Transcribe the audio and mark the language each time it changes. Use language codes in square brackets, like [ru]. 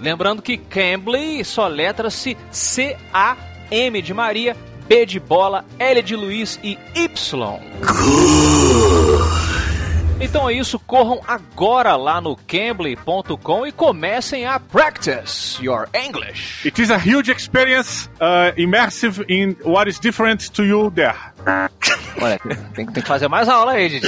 [pt] Lembrando que Cambly só letra-se C-A-M de Maria, B de bola, L de Luiz e Y. [en] Good. [pt] Então é isso, corram agora lá no Cambly.com e comecem a [en] practice your English. It is a huge experience, immersive in what is different to you there. [pt] Olha, tem que fazer mais aula aí, Didi.